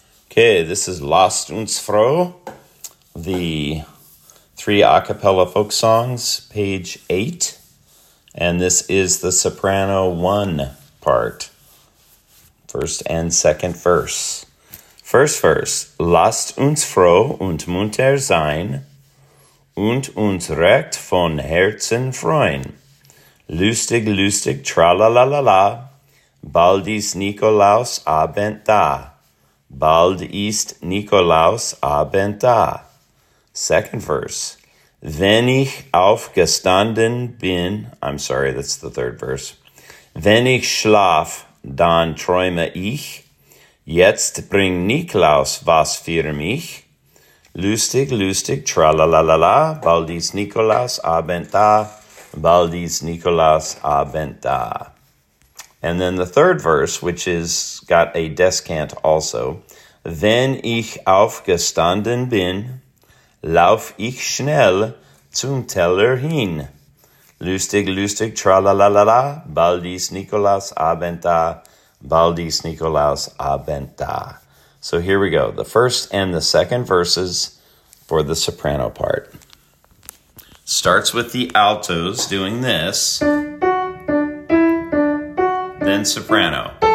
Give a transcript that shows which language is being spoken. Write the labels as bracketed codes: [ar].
[en] Okay, this is Lasst uns froh, the three a cappella folk songs, page 8, and this is the soprano 1 part, first and second verse. First verse, [de] Lasst uns froh und munter sein und uns recht von Herzen freuen. Lustig, lustig, tra-la-la-la-la, bald ist Nikolaus Abend da. Bald ist Nikolaus Abend da. [en] Second verse. [de] Wenn ich aufgestanden bin, [en] I'm sorry, that's the third verse. [de] Wenn ich schlaf, dann träume ich. Jetzt bring Nikolaus was für mich. Lustig, lustig, tra-la-la-la-la. Bald ist Nikolaus Abend da. Bald ist Nikolaus Abend da. [en] And then the third verse, which is got a descant also. [de] Wenn ich aufgestanden bin, lauf ich schnell zum Teller hin. Lustig, lustig, tra-la-la-la-la, bald ist Nikolaus Abend da, bald ist Nikolaus Abend da. [en] So here we go, the first and the second verses for the soprano part. Starts with the altos doing this. Then soprano.